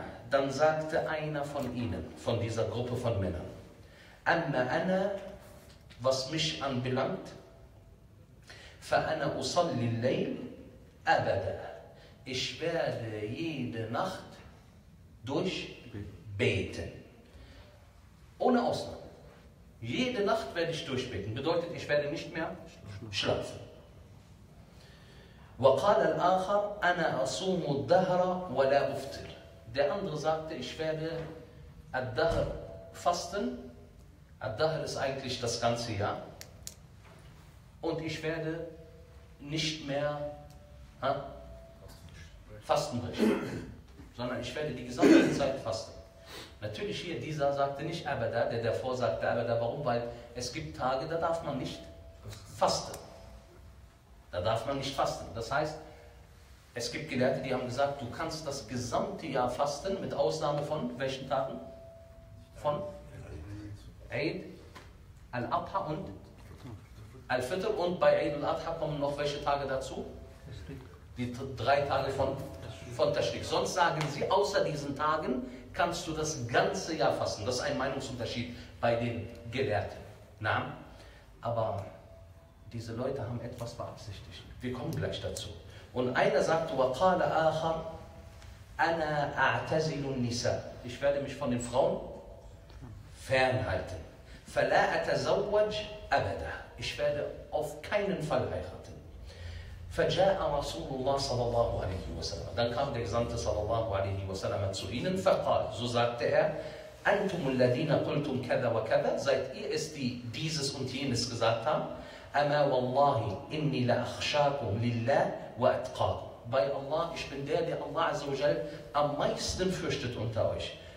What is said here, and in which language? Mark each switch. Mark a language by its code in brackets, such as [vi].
[de] Dann sagte einer von ihnen, von dieser Gruppe von Männern, [ar] amma ana, [de] was mich anbelangt, [ar] fa ana usalli al-layl abada. [de] Ich werde jede Nacht durchbeten. Ohne Ausnahme. Jede Nacht werde ich durchbeten. Bedeutet, ich werde nicht mehr schlafen. [ar] وقال الآخر أنا أصوم الدهر ولا أفطر. [de] Der andere sagte, ich werde الدهر fasten. الدهر ist eigentlich das ganze Jahr. Und ich werde nicht mehr fasten brechen. Sondern ich werde die gesamte Zeit fasten. Natürlich hier, dieser sagte nicht Abada, der davor sagte Abada. Warum? Weil es gibt Tage, da darf man nicht fasten. Da darf man nicht fasten. Das heißt, es gibt Gelehrte, die haben gesagt, du kannst das gesamte Jahr fasten, mit Ausnahme von welchen Tagen? Von Eid, Al-Adha und Al-Fitr. Und bei Eid al-Adha kommen noch welche Tage dazu? Die drei Tage von Tashrik. Sonst sagen sie, außer diesen Tagen kannst du das ganze Jahr fasten. Das ist ein Meinungsunterschied bei den Gelehrten. Na? Aber diese Leute haben etwas beabsichtigt. Wir kommen gleich dazu. Und einer sagt, [ar] وَقَالَ آخَرْ أَنَا أَعْتَزِلُ النِّسَى. [de] Ich werde mich von den Frauen fernhalten. [ar] فَلَا أَتَزَوَّجْ أَبَدًا. [de] Ich werde auf keinen Fall heiraten. [ar] فَجَاءَ رَسُولُ اللَّهِ صَلَى اللَّهُ عَلَيْهِ وَسَلَمَ. [de] Dann kam der Gesandte صلى الله عليه وسلم zu ihnen. [ar] فَقَالَ. [de] So sagte er, [ar] أَنْتُمُ الَّذِينَ قُلْتُمْ كَذَا وَكَذَا. [de] Seid ihr es, die dieses und jenes gesagt haben. [ar] أَمَا وَاللَّهِ إِنِّي لَأَخْشَاكُمْ لِلَّهِ. [de] Bei Allah, ich bin der, der Allah Azzawajal am meisten fürchtet unter euch.